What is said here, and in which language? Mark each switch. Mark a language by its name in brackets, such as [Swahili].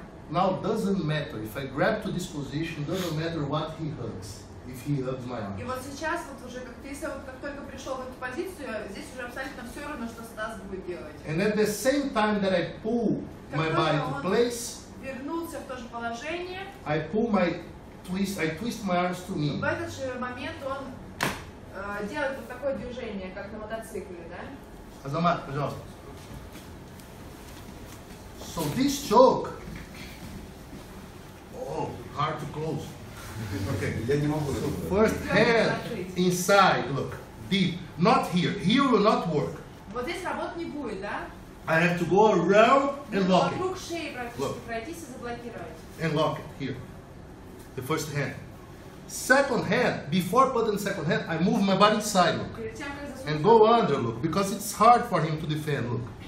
[English] Now doesn't matter if I grab to this position. Doesn't matter what he hugs. If he loves my arms. [Russian] И вот сейчас вот уже как ты, если вот как только пришел в эту позицию, здесь уже абсолютно все равно, что Стас будет делать. [English] And at the same time that I pull my body to place, [Russian] вернулся в то же положение. [English] I pull my twist. I twist my arms to me. [Russian] В этот же момент он делает вот такое движение, как на мотоцикле, да? Азамат, пожалуйста. [English] So this choke. Oh, hard to close. Okay, so first hand inside, look, deep, not here. Here will not work. [Russian] Вот здесь работ не будет, да? [English] I have to go around and lock it. [Russian] Вокруг шеи пройтись и заблокировать. [English] And lock it here, the first hand. Second hand, before putting second hand, I move my body inside, look, and go under, look, because it's hard for him to defend, look.